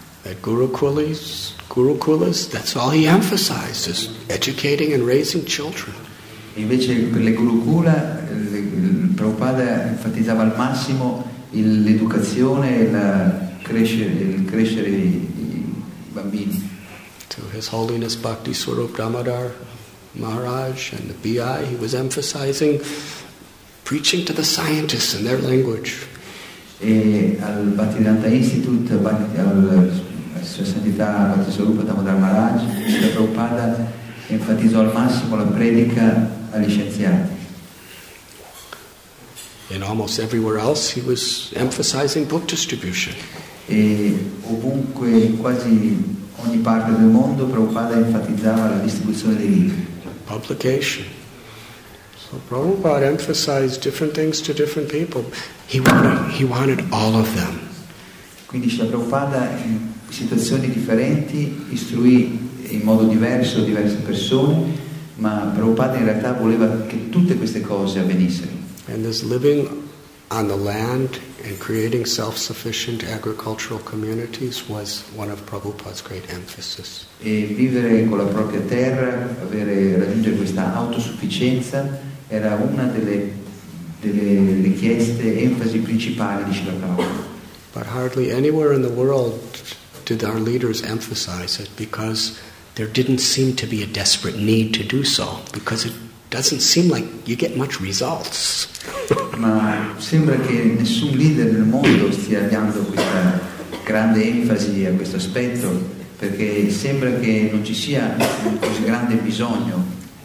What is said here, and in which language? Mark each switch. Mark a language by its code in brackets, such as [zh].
[en] At Gurukulas, that's all he emphasized, is educating and raising children. [it] Invece per le Gurukula il Prabhupada enfatizzava al massimo l'educazione e il crescere i bambini. [en] To His Holiness Bhakti Swarup Damodar Maharaj and the BI, he was emphasizing preaching to the scientists in their language. [it] E al Bhaktivedanta Institute, Sua Santità Bhakti Swarup Damodar Maharaj, il Prabhupada enfatizzò al massimo la predica agli scienziati. [en] And almost everywhere else he was emphasizing book distribution. [it] E ovunque, quasi ogni parte del mondo, Prabhupada enfatizzava la distribuzione dei libri. [en] Publication. So Prabhupada emphasized different things to different people. He wanted all of them. [it] Quindi Srila Prabhupada in situazioni differenti istruì in modo diverso diverse persone, ma Prabhupada in realtà voleva che tutte queste cose avvenissero. [en] And this living on the land and creating self-sufficient agricultural communities was one of Prabhupada's great emphasis. [it] E vivere con la propria terra, avere raggiungere questa autosufficienza era una delle richieste, enfasi principali di Srila Prabhupada. [en] But hardly anywhere in the world did our leaders emphasize it because there didn't seem to be a desperate need to do so because it doesn't seem like you get much results. [it] Ma sembra che nessun leader nel mondo stia dando questa grande enfasi a questo aspetto perché sembra che non ci sia un così grande bisogno.